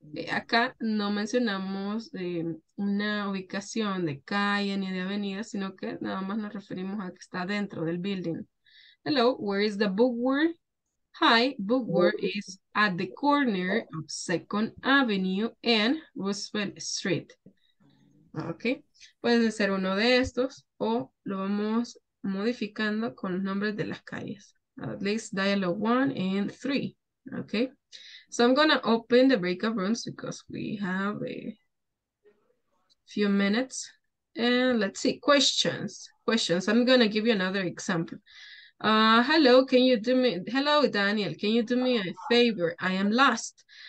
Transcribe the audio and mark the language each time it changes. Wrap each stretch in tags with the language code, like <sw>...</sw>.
<es>Acá no mencionamos una ubicación de calle ni de avenida, sino que nada más nos referimos a que está dentro del building.</es> <en>Hello, where is the bookworm? Hi, bookworm is at the corner of Second Avenue and Roosevelt Street.</en> <es>Okay, puede ser uno de estos o lo vamos modificando con los nombres de las calles.</es> <en>At least dialogue 1 and 3. Okay, so I'm gonna open the breakout rooms because we have a few minutes. And let's see, questions. I'm gonna give you another example. Hello, can you do me, hello, Daniel, can you do me a favor? I am lost.</en>